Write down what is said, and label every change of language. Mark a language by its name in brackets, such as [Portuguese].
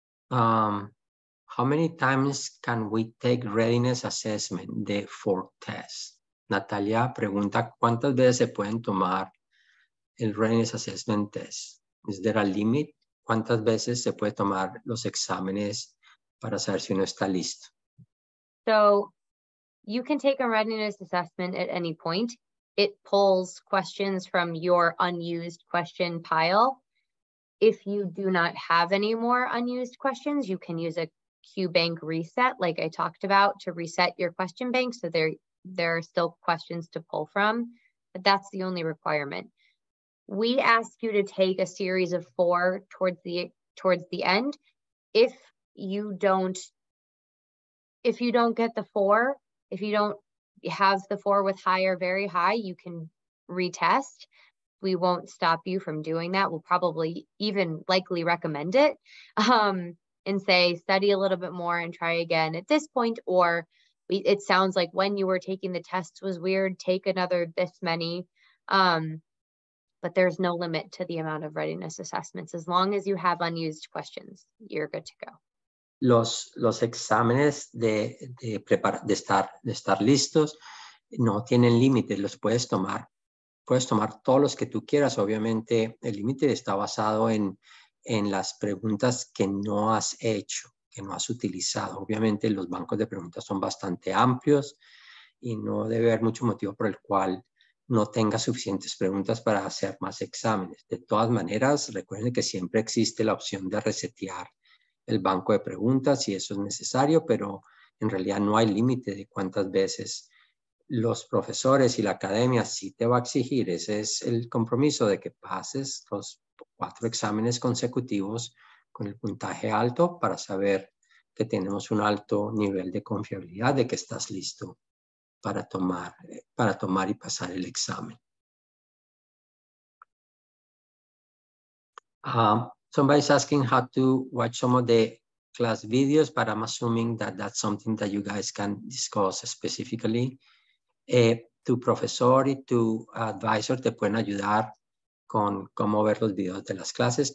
[English] How many times can we take readiness assessment, the 4 tests? [Spanish] Natalia pregunta, ¿cuántas veces se pueden tomar el readiness assessment test? [English] Is there a limit? [Spanish] ¿Cuántas veces se puede tomar los exámenes para saber si uno está listo? [English] So, you can take a readiness assessment at any point. It pulls questions from your unused question pile. If you do not have any more unused questions, you can use a QBank reset, like I talked about, to reset your question bank. So there are still questions to pull from, but that's the only requirement. We ask you to take a series of 4 towards the end. If you don't get the 4, if you don't have the 4 with high or very high, you can retest. We won't stop you from doing that. We'll probably even likely recommend it and say, study a little bit more and try again at this point. Or it sounds like when you were taking the tests was weird, take another this many. But there's no limit to the amount of readiness assessments. As long as you have unused questions, you're good to go. [Spanish] Los exámenes de estar listos no tienen límites, los puedes tomar. Puedes tomar todos los que tú quieras. Obviamente, el límite está basado en las preguntas que no has hecho, que no has utilizado. Obviamente, los bancos de preguntas son bastante amplios y no debe haber mucho motivo por el cual no tengas suficientes preguntas para hacer más exámenes. De todas maneras, recuerden que siempre existe la opción de resetear el banco de preguntas si eso es necesario, pero en realidad no hay límite de cuántas veces los profesores y la academia sí te va a exigir, ese es el compromiso de que pases los 4 exámenes consecutivos con el puntaje alto para saber que tenemos un alto nivel de confiabilidad de que estás listo para tomar y pasar el examen. [English] Somebody's asking how to watch some of the class videos, but I'm assuming that that's something that you guys can discuss specifically. [Spanish] Tu profesor y tu advisor te pueden ayudar con cómo ver los videos de las clases.